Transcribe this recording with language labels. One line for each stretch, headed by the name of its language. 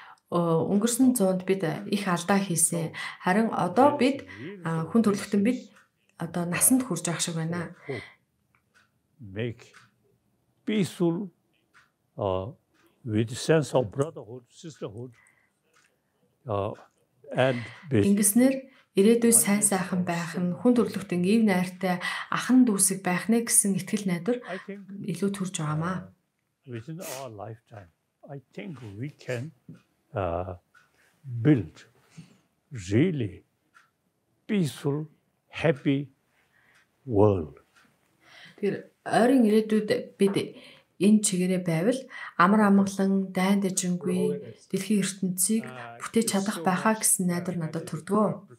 Mongolian: Өнгөрсөн зуунд бид их алдаа хийсэн. Харин одоо бид хүн төрөлхтөн бид одоо насанд хүрж байгаа шиг байна.
English: Make peaceful with sense of brotherhood, sisterhood and peace.
Mongolian: Ингэснээр ирээдүй сайн сайхан байх нь хүн төрөлхтөн ив найртай ахан дүүсэг байх нэ гэсэн итгэл найдвар илүү төрж байгаа маа.
English: Within our lifetime, I think we can build really peaceful, happy world.
Mongolian: Тэр ойрын ирээдүйд бид энэ чигээрээ байвал амар амгалан, дайнд дэжингүй дэлхийн ертөнцийг бүтээж чадах байхаа гэсэн найдвар надад төрдгөө.